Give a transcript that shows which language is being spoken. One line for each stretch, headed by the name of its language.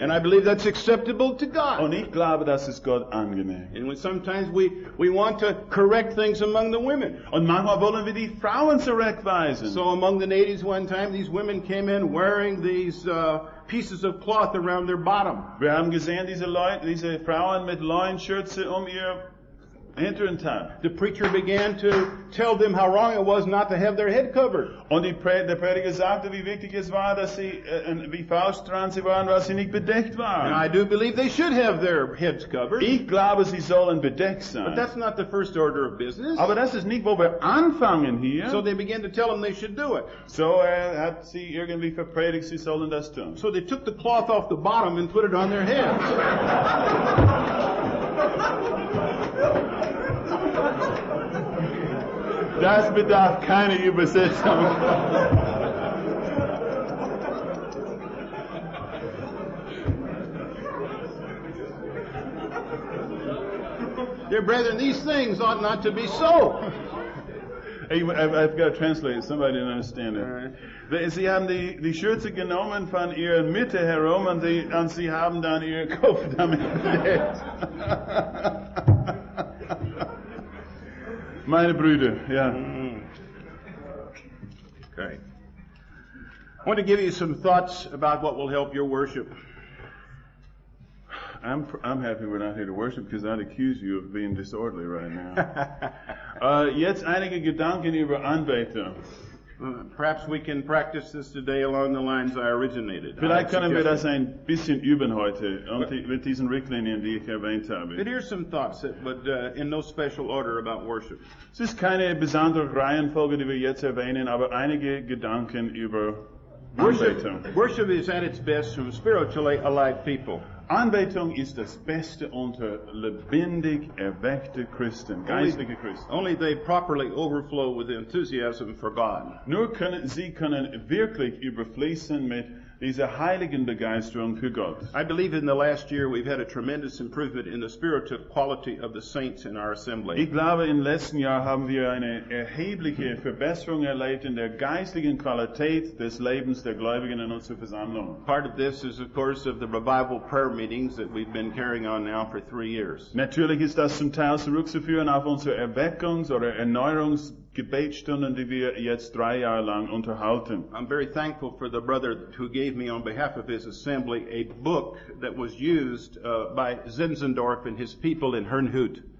English: And I believe that's acceptable to God.
German: Und ich glaube, das ist Gott angenehm.
English: And sometimes we want to correct things among the women.
German: Und manchmal wollen wir die Frauen zurechtweisen.
English: So among the natives one time, these women came in wearing these pieces of cloth around their bottom.
German: Wir haben gesehen diese Frauen mit Leinenschürze ihr Hinterteil.
English: The preacher began to tell them how wrong it was not to have their head covered.
German: Und der Prediger sagte, wie wichtig es war, dass sie wie falsch dran sie waren, weil sie nicht bedeckt waren.
English: And I do believe they should have their heads covered.
German: Ich glaube, sie sollen bedeckt sein.
English: But that's not the first order of business.
German: Aber das ist nicht, wo wir anfangen hier.
English: So they began to tell them they should do it.
German: So hat sie irgendwie verpredigt, sie sollen das tun.
English: So they took the cloth off the bottom and put it on their heads.
German: Das bedarf keine Übersetzung.
English: Dear brethren, these things ought not to be so. I've got to translate it. Somebody didn't understand it. Right.
German: Sie haben die Schürze genommen von ihr Mitte herum und sie haben dann ihr Kopf damit bedeckt. Meine Brüder, ja.
English: Okay. I want to give you some thoughts about what will help your worship. I'm happy we're not here to worship because I'd accuse you of being disorderly right now.
German: jetzt einige Gedanken über Anbetung.
English: Perhaps we can practice this today along the lines I originated.
German: Vielleicht können wir das ein bisschen üben heute mit diesen Richtlinien, die ich erwähnt habe.
English: But here's some thoughts, but in no special order about worship.
German: Es ist keine besondere Reihenfolge, die wir jetzt erwähnen, aber einige Gedanken über Anbetung.
English: Worship is at its best from spiritually alive people.
German: Anbetung ist das Beste unter lebendig erweckte Christen, geistliche Christen.
English: Only they properly overflow with enthusiasm for God.
German: Nur sie können wirklich überfließen mit dieser heiligen Begeisterung für Gott.
English: I believe in the last year we've had a tremendous improvement in the spiritual quality of the saints in our assembly.
German: Ich glaube, im letzten Jahr haben wir eine erhebliche Verbesserung erlebt in der geistlichen Qualität des Lebens der Gläubigen in unserer Versammlung.
English: Part of this is, of course, of the revival prayer meetings that we've been carrying on now for 3 years.
German: Natürlich ist das zum Teil zurückzuführen auf unsere Erweckungs- oder Erneuerungs- Gebetstunden, die wir jetzt 3 Jahre lang unterhalten.
English: I'm very thankful for the brother who gave me on behalf of his assembly a book that was used by Zinzendorf and his people in Hernhut.